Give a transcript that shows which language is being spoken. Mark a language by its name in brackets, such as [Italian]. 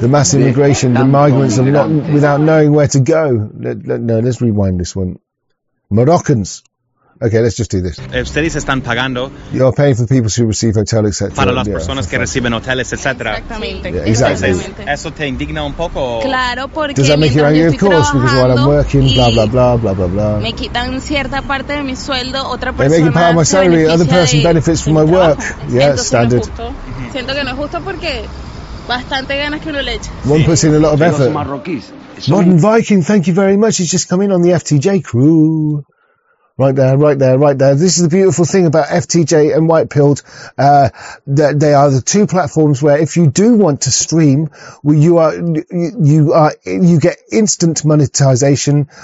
[English] The mass immigration, the migrants are not without knowing where to go. Let's rewind this one. Moroccans. Okay, let's just do this. [Spanish] Ustedes están pagando. [English] You're paying for the people who receive hotel, etc. [Spanish] Para las personas que reciben hoteles, etc. Exactamente. [English] Yeah, exactly. [Spanish] Eso te indigna un poco. Claro, porque. [English] Does that make you angry? Of course, because while I'm working, blah blah blah blah blah blah. [Spanish] Me quitan cierta parte de mi sueldo, otra persona. [English] They make you part of my salary. Other person benefits from my work. Yeah, standard. [Spanish] Siento que no es justo porque bastante ganas que uno le echa. [English] One puts in a lot of effort. Modern Viking, thank you very much. He's just come in on the FTJ crew. Right there, right there, right there. This is the beautiful thing about FTJ and White Pilled. They are the two platforms where if you do want to stream, you get instant monetization.